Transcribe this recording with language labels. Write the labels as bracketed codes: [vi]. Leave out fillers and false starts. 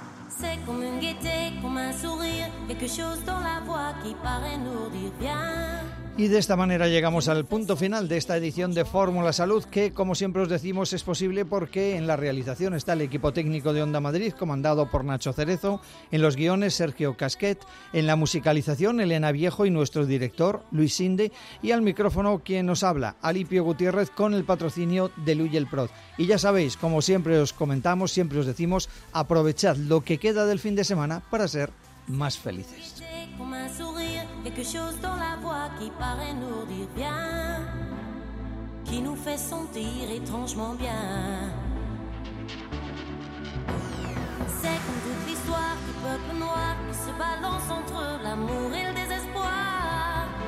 [fr] C'est comme une gaieté, comme un sourire, quelque chose dans la voix qui paraît nous dire bien. [es] Y de esta manera llegamos al punto final de esta edición de Fórmula Salud, que, como siempre os decimos, es posible porque en la realización está el equipo técnico de Onda Madrid, comandado por Nacho Cerezo, en los guiones Sergio Casquet, en la musicalización Elena Viejo y nuestro director Luis Sinde, y al micrófono quien nos habla, Alipio Gutiérrez, con el patrocinio de Luyel Prod. Y ya sabéis, como siempre os comentamos, siempre os decimos, aprovechad lo que queda del fin de semana para ser más felices. [fr] Quelque chose dans la voix qui paraît nous dire bien, qui nous fait sentir étrangement bien. C'est comme toute l'histoire du peuple noir qui se balance entre l'amour et le désespoir.